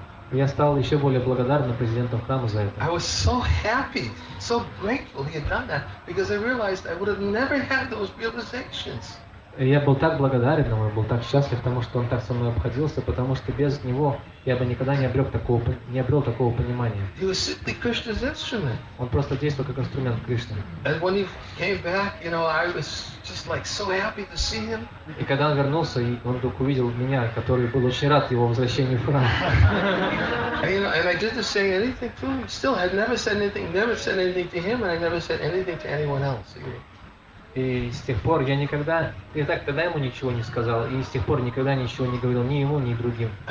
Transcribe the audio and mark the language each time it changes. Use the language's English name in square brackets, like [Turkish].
[Russian] Я стал еще более благодарным президенту храма за это. [English] I was so happy, so grateful he had done that, because I realized I would have never had those realizations. [Russian] Я был так благодарен ему, был так счастлив, потому что он так со мной обходился, потому что без него я бы никогда не обрел такого понимания. [English] He was simply Krishna's instrument. [Russian] Он просто действовал как инструмент Кришны. [English] And when he came back, you know, I was just like so happy to see him. [Russian] И когда он вернулся, и он вдруг увидел меня, который был очень рад его возвращению в храм. [English] And I didn't say anything to him. Still, I'd never said anything to him, and I never said anything to anyone else. [Russian] И с тех пор я никогда, и так тогда ему ничего не сказал, и с тех пор никогда ничего не говорил ни ему, ни другим.